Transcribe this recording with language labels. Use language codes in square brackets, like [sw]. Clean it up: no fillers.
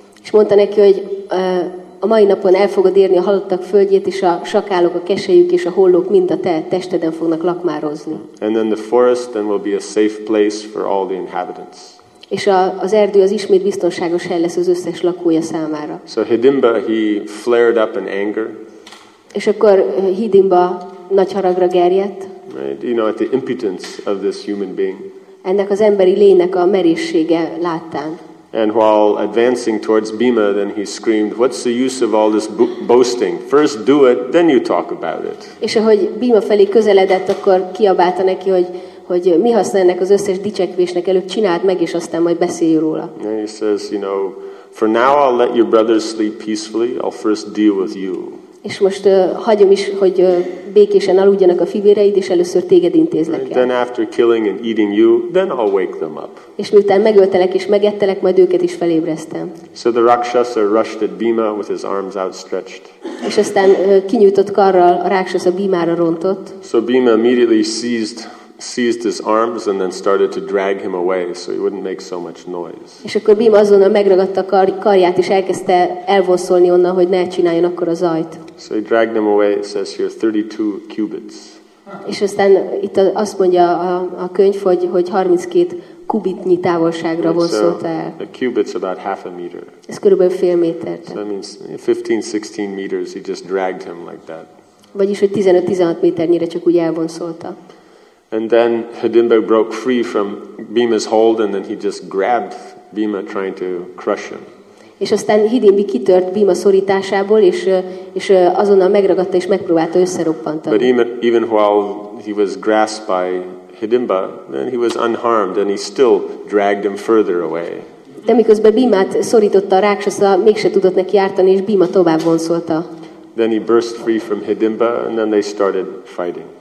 [hu] És mondta neki, hogy a mai napon el fogod érni a halottak földjét, és a sakálok, a keselyük és a hollók mind a te testeden fognak lakmározni. [en] And then the forest then will be a safe place for all the inhabitants. [hu] És az erdő az ismét biztonságos hely lesz az összes lakója számára. [en] So Hedimba, he flared up in anger. [hu] És akkor Hedimba nagy haragra gerjedt. [en] Right. You know, at the impotence of this human being. [hu] Ennek az emberi lénynek a merészsége láttán. [en] And while advancing towards Bhima, then he screamed, "What's the use of all this boasting? First do it, then you talk about it." [hu] És ahogy Bhima felé közeledett, akkor kiabálta neki, hogy mi haszna ennek az összes dicsekvésnek, előbb csináld meg, és aztán majd beszélj róla. [en] And he says, you know, "For now I'll let your brothers sleep peacefully. I'll first deal with you." [hu] És most hagyom is, hogy békésen aludjanak a fivéreid, és először téged intézlek el. [en] Then after killing and eating you, then I'll wake them up. [hu] És miután megöltelek és megettelek, majd őket is felébresztem. [en] So the Rakshasa rushed at Bhima with his arms outstretched. [hu] És aztán kinyújtott karral a Rakshasa Bhimára rontott. [en] So Bhima immediately seized his arms and then started to drag him away so he wouldn't make so much noise. [hu] És akkor Bhima azonnal megragadta karját és elkezdte elvonszolni onnan, hogy ne csináljon akkor a zajt. [en] So he dragged him away, it says here, 32 cubits. [hu] És aztán itt azt mondja a könyv, hogy 32 kubitnyi távolságra vonszolta el. [en] A cubit's about half a meter. [hu] Ez körülbelül fél métert. [en] So that means 15-16 meters, he just dragged him like that. [hu] Vagyis, hogy 15-16 méternyire csak úgy elvonszolta. [en] And then Hedimba broke free from Bhima's hold, and then he just grabbed Bhima, trying to crush him. [hu] És aztán Hedimba kitört Bhima szorításából, és azonnal megragadta és megpróbálta összeroppantani. [en] But even while he was grasped by Hedimba, then he was unharmed, and he still dragged him further away. [hu] De miközben Bhimát szorította a Rakshasa, mégse tudott neki ártani, és Bhima tovább vonszolta. [en] Then he burst free from Hedimba, and then they started fighting.